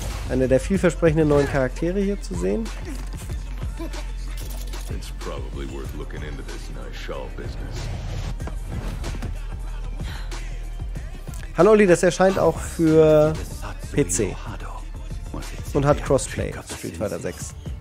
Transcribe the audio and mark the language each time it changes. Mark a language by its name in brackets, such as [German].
[German] Einer der vielversprechenden neuen Charaktere hier zu sehen. [English] It's probably worth looking into this nice shawl business. [German] Hallo Olli, das erscheint auch für PC und hat Crossplay, Street Fighter 6.